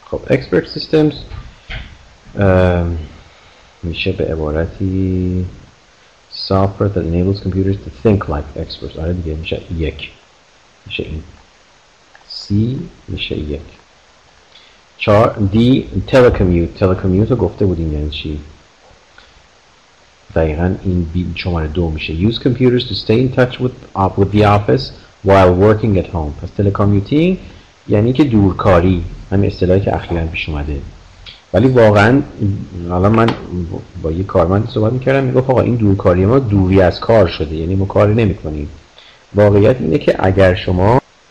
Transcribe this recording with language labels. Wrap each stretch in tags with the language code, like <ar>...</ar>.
<en>Expert systems</en> <fa>میشه به عبارتی</fa> <en>software that enables computers to think like experts.</en> <fa>آره دیگه میشه یک، میشه این C میشه یک.</fa> <en>D telecommute.</en> <fa>Telecommute رو گفته بودیم یعنی چی؟ دقیقا این شماره دو میشه.</fa> <en>Use computers to stay in touch with the office while working at home.</en> <fa>پس telecommuting یعنی که دورکاری، همین اصطلاحی که اخیراً پیش اومده. ولی واقعاً الان من با یه کارمند صحبت میکردم، میگفت آقا این دورکاری ما دوری از کار شده، یعنی ما کاری نمیکنیم. واقعیت اینه که اگر شما</fa>